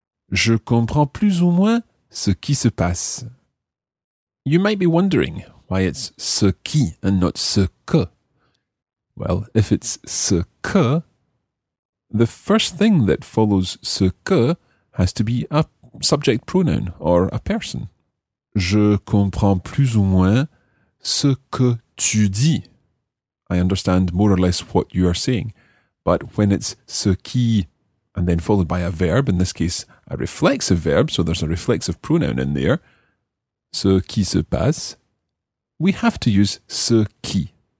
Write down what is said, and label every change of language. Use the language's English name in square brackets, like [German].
[French] Je comprends plus ou moins ce qui se passe. [English] You might be wondering why it's ce qui and not ce que. Well, if it's ce que, the first thing that follows ce que has to be a subject pronoun or a person. [French] Je comprends plus ou moins ce que tu dis. [English] I understand more or less what you are saying. But when it's ce qui, and then followed by a verb, in this case a reflexive verb, so there's a reflexive pronoun in there, [French] ce qui se passe, [English] we have to use ce qui.